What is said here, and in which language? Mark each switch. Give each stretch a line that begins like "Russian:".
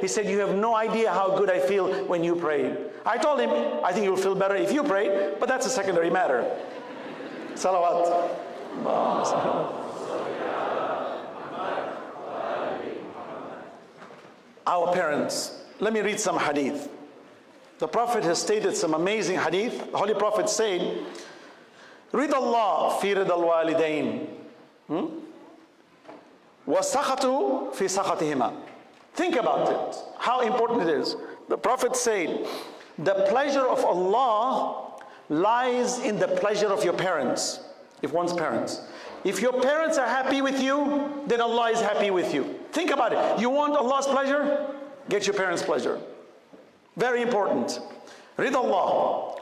English: He said, you have no idea how good I feel when you pray. I told him, I think you'll feel better if you pray, but that's a secondary matter. Salawat. Our parents. Let me read some hadith. The Prophet has stated some amazing hadith. The Holy Prophet said,
Arabic: رِضَ اللَّهِ فِي رِضَ الْوَالِدَيْنِ وَسَخَتُ فِي سَخَتِهِمَا.
English: Think about it, how important it is. The Prophet said, the pleasure of Allah lies in the pleasure of your parents, if one's parents. If your parents are happy with you, then Allah is happy with you. Think about it. You want Allah's pleasure? Get your parents' pleasure. Very important. Ridha Allah.